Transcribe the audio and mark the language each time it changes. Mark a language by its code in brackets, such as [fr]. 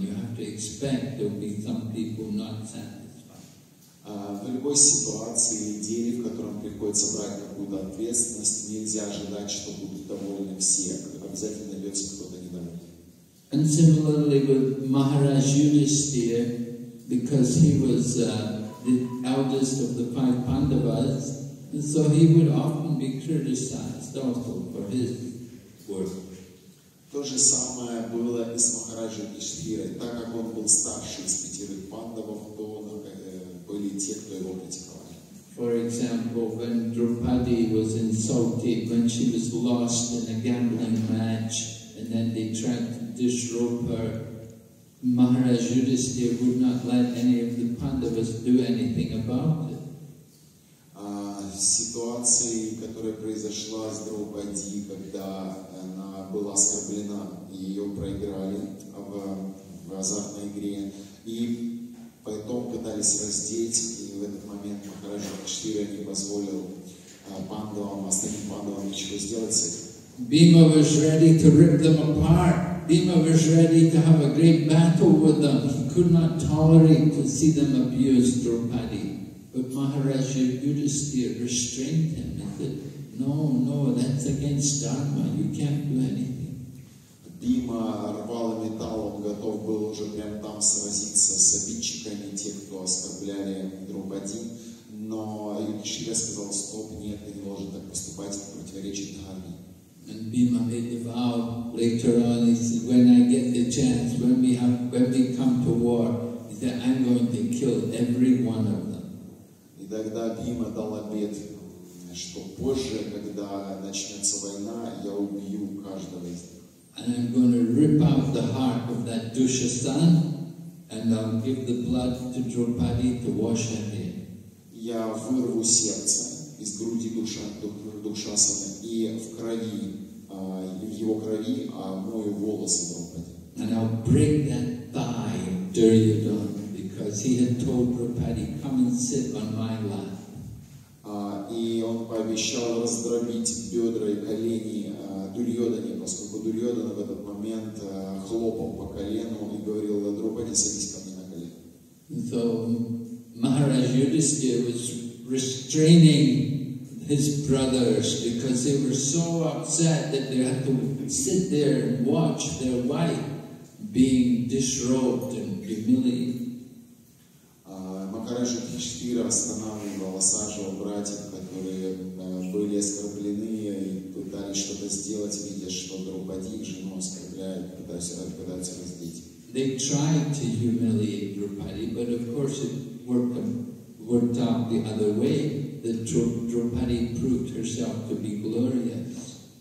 [en] You have to expect there'll be some people not satisfied. [ru] В любой ситуации или деле, в котором приходится брать какую-то ответственность, нельзя ожидать, что будут довольны все. Обязательно найдется кто-то недоволен. [en] And similarly with Maharaj Yudhisthira, because he was the eldest of the five Pandavas, and so he would often be criticized also for his work. [ru] То же самое было и с Махараджа Юдхиштхирой. Так как он был старше из пятерых Пандавов, то были те, кто его критиковали. [en] For example, when Draupadi was insulted, when she was lost in a gambling match, and then they tried to disrobe her, Maharaj Yudhisthira would not let any of the Pandavas do anything about it. [ru] Ситуации, которая произошла с Драупади, когда она была оскорблена и ее проиграли в азартной игре, и потом пытались раздеть, и в этот момент Махараджа Кшира не позволил Пандавам, остальным Пандавам ничего сделать с этим. [en] Bhima was ready to rip them apart. Bhima was ready to have a great battle with them. He could not tolerate to see them abuse Draupadi. But Maharaj Yudhisthira restrained him and said, "No, no, that's against Dharma. You can't do anything." [ru] Bhima рвал металл, он готов был уже прямо там сразиться с обидчиками, тех, кто оскорбляли Draupadi. Но Yudhishthira сказал, "Стоп, нет, ты не должен так поступать, это противоречит Дхарме." [en] And Bhima made a vow later on, he said, when I get the chance, when we come to war, he that I'm going to kill every one of them. [ru] И тогда Бхима дал обет, что позже, когда начнется война, я убью каждого из них. [en] And I'm going to rip out the heart of that Dushasana, and I'll give the blood to Draupadi to wash her head. [ru] Я вырву сердце из груди Дуршасаны и в крови, в его крови, мою волосы Драупади. [en] And I'll break that thigh of Duryodhana because he had told Draupadi, come and sit on my lap. [ru] И он пообещал раздробить бедра и колени Дурьодане, поскольку Дурьодана в этот момент хлопал по колену и говорил, Драупади, садись ко мне на колени. [en] So, Maharaj Yudhisthira was restraining his brothers because they were so upset that they had to sit there and watch their wife being disrobed and humiliated. [ru] Maharaj Yudhisthira останавливал осаживал братьев, которые были оскорблены и пытались что-то сделать, видя, что Драупади их жену оскорбляют, пытаются раздеть. [en] They tried to humiliate Draupadi, but of course it worked out the other way, that Draupadi proved herself to be glorious.